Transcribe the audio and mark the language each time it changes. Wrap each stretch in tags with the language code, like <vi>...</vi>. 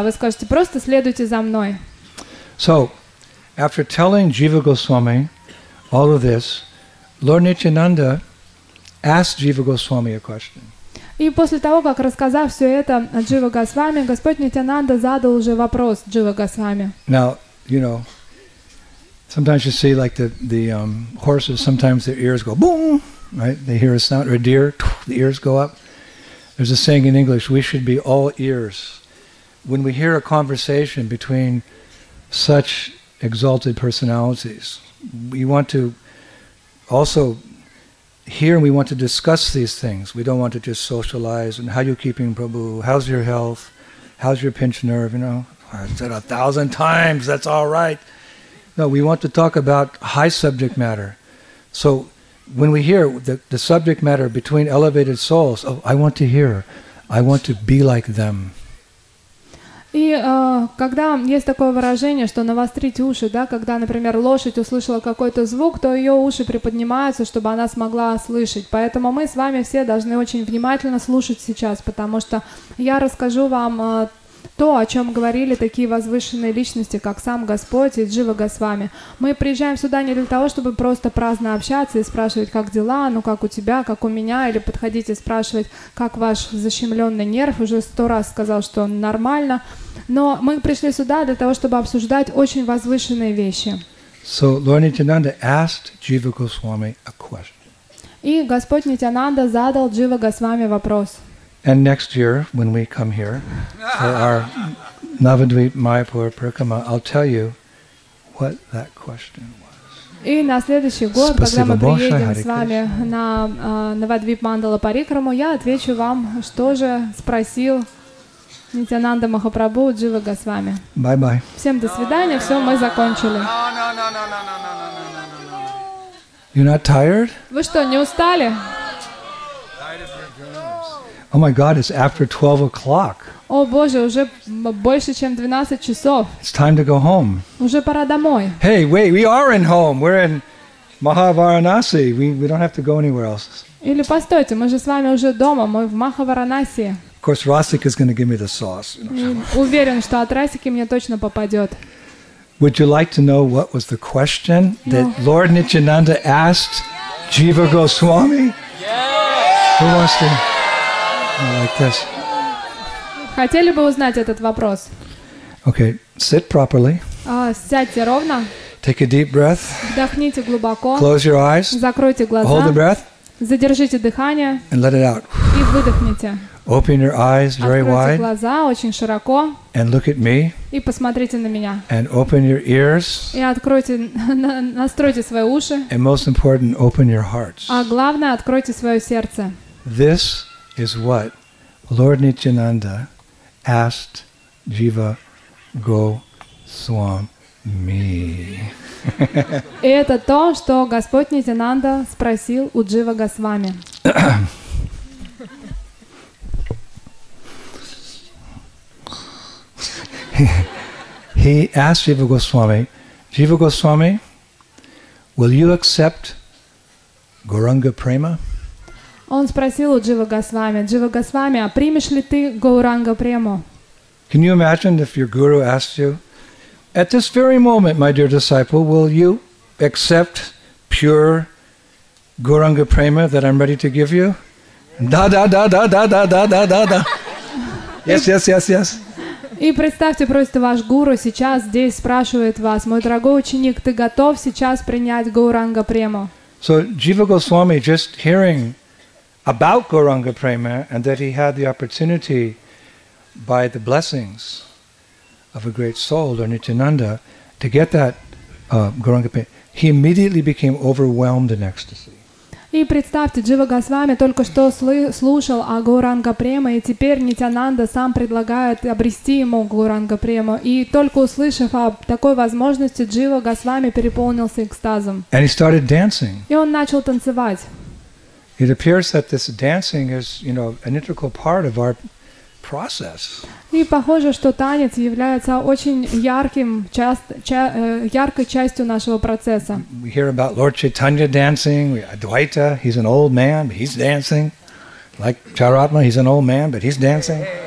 <ru>А вы скажете, просто следуйте за мной.</ru> <en>So, after telling Jiva Goswami all of this, Lord Nityananda asked Jiva Goswami a question.</en> <ru>И после того, как рассказав все это Джива Госвами, Господь Нитянанда задал уже вопрос Джива Госвами.</ru> <en>Now, sometimes you see like the horses, sometimes their ears go boom, right? They hear a sound, or a deer, the ears go up. There's a saying in English, we should be all ears. When we hear a conversation between such exalted personalities, we want to also hear and we want to discuss these things. We don't want to just socialize and how are you keeping Prabhu? How's your health? How's your pinched nerve? I've said 1,000 times, that's all right. No, we want to talk about high subject matter. So when we hear the subject matter between elevated souls, I want to hear, I want to be like them.</en> <ru>И когда есть такое выражение, что навострить уши, да, когда, например, лошадь услышала какой-то звук, то ее уши приподнимаются, чтобы она смогла слышать. Поэтому мы с вами все должны очень внимательно слушать сейчас, потому что я расскажу вам то, о чем говорили такие возвышенные личности, как сам Господь и Джива Госвами. Мы приезжаем сюда не для того, чтобы просто праздно общаться и спрашивать, как дела, ну как у тебя, как у меня, или подходить и спрашивать, как ваш защемленный нерв, уже 100 раз сказал, что он нормально. Но мы пришли сюда для того, чтобы обсуждать очень возвышенные вещи.</ru> <en>So, Lord Nityananda asked Jiva Goswami a question.</en> <ru>И Господь Нитянанда задал Джива Госвами вопрос.</ru> <en>And next year, when we come here for our Navadvip Mayapur Parikrama, I'll tell you what that question was.</en> <ru>И на следующий год, когда мы приедем с вами на Навадвип Мандала Парикраму, я отвечу вам, что же спросил Нитянанда Махапрабху Джива Госвами.</ru> <en>Bye-bye.</en> <ru>Всем до свидания. Все, мы закончили.</ru> <en>No. You're not tired?</en> <ru>Вы что, не устали?</ru> <en>Oh my God, it's after 12 o'clock.</en> <ru>О, Боже, уже больше, чем 12 часов.</ru> <en>It's time to go home.</en> <ru>Уже пора домой.</ru> <en>Hey, wait, we are in home. We're in Mahavaranasi. We don't have to go anywhere else.</en> <ru>Или постойте, мы же с вами уже дома, мы в Махаваранаси.</ru> <en>Of course, Rasik is going to give me the sauce.</en> <ru>Уверен, что от Расики мне точно попадет.</ru> <en>Would you like to know what was the question that Lord Nityananda asked Jiva Goswami? Who wants to... Like this.</en> <ru>Хотели бы узнать этот вопрос?</ru> <en>Okay, sit properly.</en> <ru>Сядьте ровно.</ru> <en>Take a deep breath.</en> <ru>Вдохните глубоко.</ru> <en>Close your eyes.</en> <ru>Закройте глаза.</ru> <en>Hold the breath.</en> <ru>Задержите дыхание.</ru> <en>And let it out.</en> <ru>И выдохните.</ru> <en>Open your eyes very wide.</en> <ru>Откройте глаза очень широко.</ru> <en>And look at me.</en> <ru>И посмотрите на меня.</ru> <en>And open your ears.</en> <ru>И откройте, настройте свои уши.</ru> <en>And most important, open your hearts.</en> <ru>А главное, откройте свое сердце.</ru> <en>This is what Lord Nityananda asked Jiva Goswami.</en> <ru>Это то, что Господь Нитянанда спросил у Джива Госвами.</ru> <en>He asked Jiva Goswami, Jiva Goswami, will you accept Gauranga Prema?</en> <ru>Он спросил у Джива Госвами: Джива Госвами, а примешь ли ты Гауранга Прему?</ru> <en>Can you imagine if your guru asked you, at this very moment, my dear disciple, will you accept pure Гауранга Прему that I'm ready to give you?</en> <ru>Да, да, да, да, да, да, да, да, да, да.</ru> <en>Yes, yes, yes, yes.</en> <ru>И представьте, просто ваш гуру сейчас здесь спрашивает вас: мой дорогой ученик, ты готов сейчас принять Гауранга Прему?</ru> <en>So Jiva Goswami just hearing about Gauranga Prema and that he had the opportunity by the blessings of a great soul, Lord Nityananda, to get that Gauranga Prema, he immediately became overwhelmed in ecstasy.</en> <ru>И представьте, Джива Госвами только что слушал о Гауранга Према, и теперь Нитянанда сам предлагает обрести ему Гауранга Прему. И только услышав о такой возможности, Джива Госвами переполнился экстазом.</ru> <en>And he started dancing.</en> <ru>И он начал танцевать.</ru> <en>It appears that this dancing is, you know, an integral part of our process.</en> <ru>И похоже, что танец является очень ярким, яркой частью нашего процесса.</ru> <en>We hear about Lord Chaitanya dancing, Advaita, he's an old man, but he's dancing. Like Charatma, he's an old man, but he's dancing.</en>